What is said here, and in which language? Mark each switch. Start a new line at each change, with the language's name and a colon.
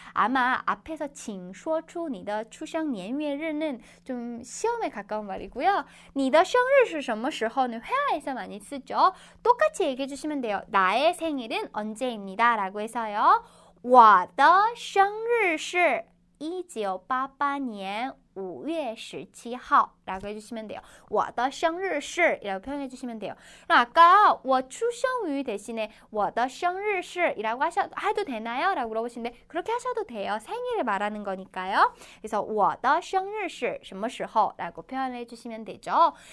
Korean: 아마 앞에서 请说出你的出生年月日 는 좀 시험에 가까운 말이고요. 你的生日是什么时候? 는 회화에서 많이 쓰죠. 똑같이 얘기해 주시면 돼요. 나의 생일은 언제입니다. 라고 해서요.
Chinese: 我的生日是1988年5月17号 라고 해주시면 돼요.
Korean: 我的生日是 이라고 표현해 주시면 돼요. 아까 我出生于 대신에 我的生日是 이라고 해도 되나요? 라고 물어보시는데 그렇게 하셔도 돼요. 생일을 말하는 거니까요. 그래서 我的生日是什么时候 라고 표현해 주시면 되죠.